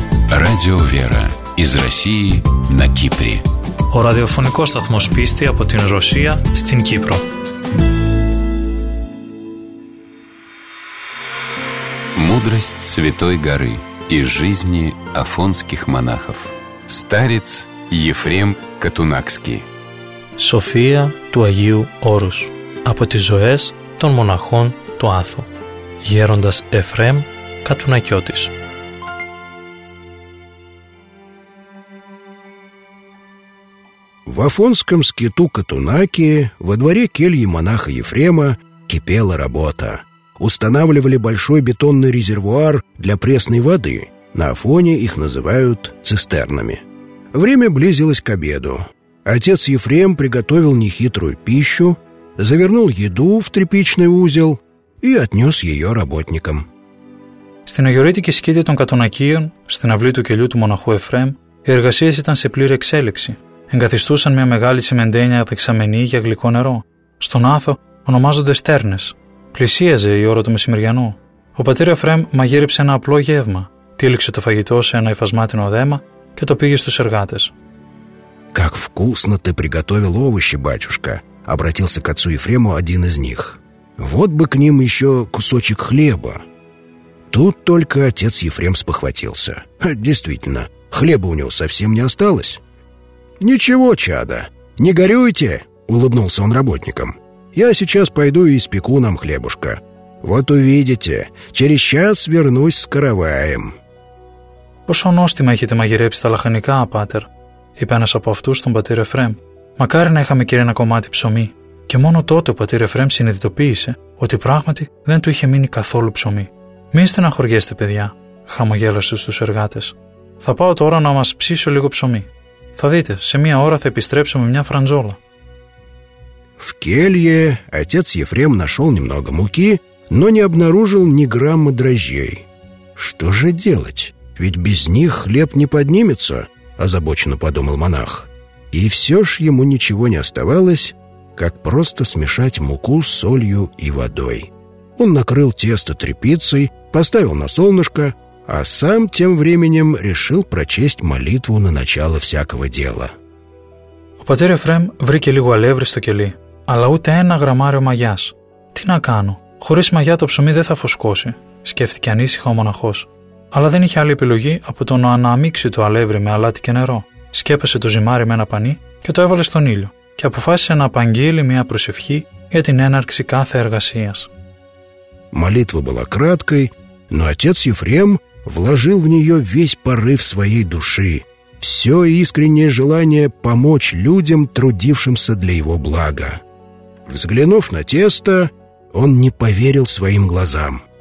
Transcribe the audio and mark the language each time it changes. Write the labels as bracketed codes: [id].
[ru] Радио Вера. Из России на Кипре. [el] Ο ραδιοφωνικός σταθμός πίστη από την Ρωσία στην Κύπρο. [ru] Мудрость Святой Горы из жизни афонских монахов. Старец Ефрем Катунакский. [el] Σοφία του Αγίου Όρους από τις ζωές των μοναχών του Άθου. Γέροντας Εφρέμ Κατουνακιώτης. [ru] В афонском скиту Катунаки во дворе кельи монаха Ефрема кипела работа. Устанавливали большой бетонный резервуар для пресной воды. На Афоне их называют цистернами. Время близилось к обеду. Отец Ефрем приготовил нехитрую пищу, завернул еду в тряпичный узел и отнес ее работникам. [el] Στην αγιορείτικη σκήτη των Κατουνακίων, στην αυλή του κελιού του μοναχού Εφρέμ, οι εργασίες ήταν σε πλήρη εξέλιξη. Εγκαθιστούσαν μια μεγάλη σιμεντένια δεξαμενή για γλυκό νερό. Στον Άθο ονομάζονται στέρνες. Πλησίαζε η ώρα του μεσημεριανού. Ο πατήρ Εφρέμ μαγείρεψε ένα απλό γεύμα, Τύλιξε το φαγητό σε ένα υφασμάτινο δέμα και το πήγε στους εργάτες. [ru] «Как вкусно ты приготовил овощи, батюшка!» Обратился к отцу Ефрему один из них. «Вот бы к ним еще кусочек хлеба!» Тут только отец Ефрем спохватился. «Действительно, хлеба у него совсем не осталось!» «Ничего, чадо, не горюйте!» Улыбнулся он работникам. «Я сейчас пойду и испеку нам хлебушка. Вот увидите, через час вернусь с караваем». [el] «Пошо ностима ехите магиреψει та лаханика, патер?» Είπε ένας από αυτούς τον πατήρ Εφραίμ. «Μακάρι να είχαμε και ένα κομμάτι ψωμί». Και μόνο τότε ο πατήρ Εφραίμ συνειδητοποίησε ότι πράγματι δεν του είχε μείνει καθόλου ψωμί. «Μην στεναχωριέστε, παιδιά», χαμογέλασε στους εργάτες. «Θα πάω τώρα να μας ψήσω λίγο ψωμί. Θα δείτε, σε μία ώρα θα επιστρέψω με μια φραντζόλα». [ru] В келье отец Ефрем нашел немного муки, но не обнаружил ни грамма дрожжей. «Что же делать? Ведь без них хлеб не поднимется», — озабоченно подумал монах. И все ж ему ничего не оставалось, как просто смешать муку с солью и водой. Он накрыл тесто тряпицей, поставил на солнышко, а сам тем временем решил прочесть молитву на начало всякого дела. [el] Πατέρ Εφραίμ βρήκε λίγο αλεύρι στο κελί, αλλά ούτε ένα γραμμάριο μαγιάς. «Τι να κάνω, χωρίς μαγιά το ψωμί δεν θα φωσκώσει», σκέφτηκε ανήσυχα ο μοναχός. Αλλά δεν είχε άλλη επιλογή από το να αναμίξει το αλεύρι με αλάτι και νερό. Σκέπασε το ζυμάρι με ένα πανί και το έβαλε στον ήλιο και αποφάσισε να απαγγείλει μια προσευχή για την έναρξη κάθε εργασίας. [ru] Молитва была краткой, но отец Ефрем вложил в нее весь порыв своей души. Все искреннее желание помочь людям, трудившимся для его блага. Взглянув на тесто, он не поверил своим глазам.